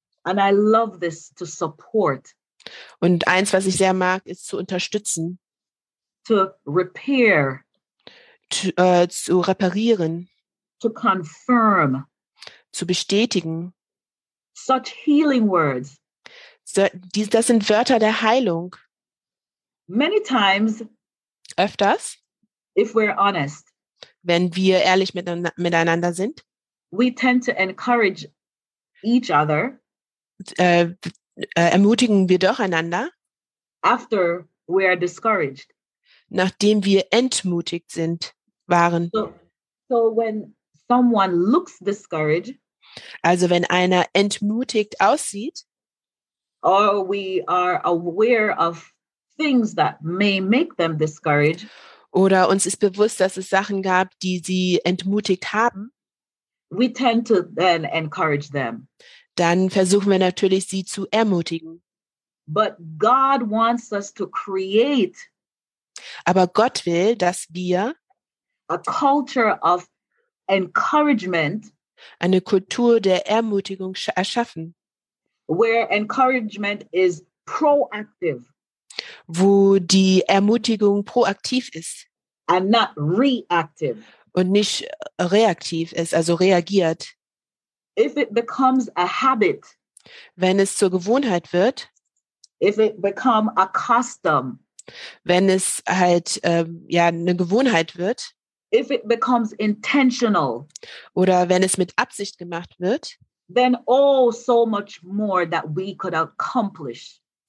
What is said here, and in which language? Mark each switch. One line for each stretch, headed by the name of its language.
English: And I love this, to support.
German: Und eins, was ich sehr mag, ist zu unterstützen.
English: To repair.
German: Zu reparieren.
English: To confirm.
German: Zu bestätigen.
English: Such healing words.
German: Das sind Wörter der Heilung.
English: Many times.
German: Öfters.
English: If we're honest.
German: Wenn wir ehrlich miteinander sind.
English: We tend to encourage each other.
German: Ermutigen wir doch einander.
English: After we are discouraged.
German: Nachdem wir entmutigt sind, waren.
English: So when someone looks discouraged.
German: Also wenn einer entmutigt aussieht.
English: Or we are aware of things that may make them discouraged.
German: Oder uns ist bewusst, dass es Sachen gab, die sie entmutigt haben.
English: We tend to then encourage them.
German: Dann versuchen wir natürlich, sie zu ermutigen.
English: But God wants us to create.
German: Aber Gott will, dass wir
English: a culture of encouragement,
German: eine Kultur der Ermutigung erschaffen.
English: Where encouragement is proactive.
German: Wo die Ermutigung proaktiv ist.
English: And not reactive.
German: Und nicht reaktiv ist, also reagiert.
English: If it becomes a habit.
German: Wenn es zur Gewohnheit wird.
English: If it become a custom.
German: Wenn es halt eine Gewohnheit wird.
English: If it becomes intentional.
German: Oder wenn es mit Absicht gemacht wird.
English: Then oh, so much more that we could accomplish.